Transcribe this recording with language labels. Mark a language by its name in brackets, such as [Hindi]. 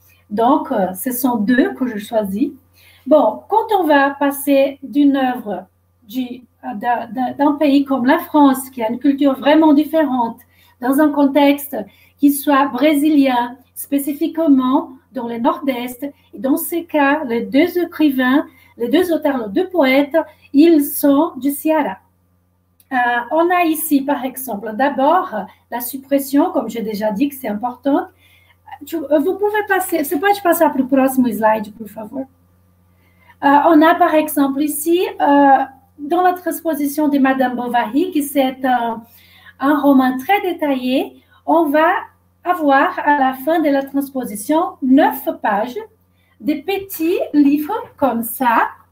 [French] Donc, ce sont 2 que je choisis. Bon, quand on va passer d'une œuvre d'un pays comme la France, qui a une culture vraiment différente, dans un contexte qui soit brésilien, spécifiquement dans le Nord-Est, et dans ce cas, les 2 écrivains, les 2 auteurs, les 2 poètes, ils sont du Ceará. On a ici, par exemple, d'abord la suppression, comme j'ai déjà dit que c'est important, [Portuguese] Você pode passar para o próximo slide, por favor? [French] On a, par exemple, ici, dans la transposition de Madame Bovary, que [Portuguese] é um [French] roman très détaillé, on va avoir, à la fin de la transposition, 9 pages de petits livres, comme ça,